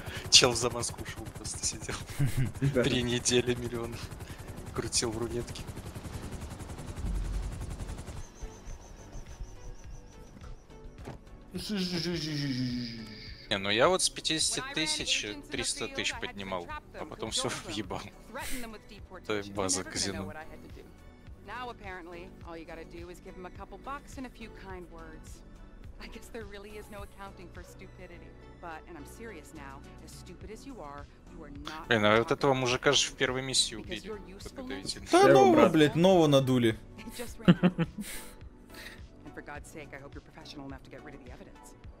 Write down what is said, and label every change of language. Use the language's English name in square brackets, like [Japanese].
[Russian] Чел за Москву шел, просто сидел. Три недели миллион крутил в рунетке. Не, ну я вот с 50 000 300 тысяч поднимал, а потом все въебал. Это база казино. [English] Now apparently all you gotta do is give him a couple bucks and a few kind words. I guess there really is no accounting for stupidity. But and I'm serious now, as stupid as you are, you are not. [Russian] Блин, а вот этого мужика же в первой миссии убили. Да нового, блять, нового надули. [English] For God's sake, I hope you're professional enough to get rid of the evidence.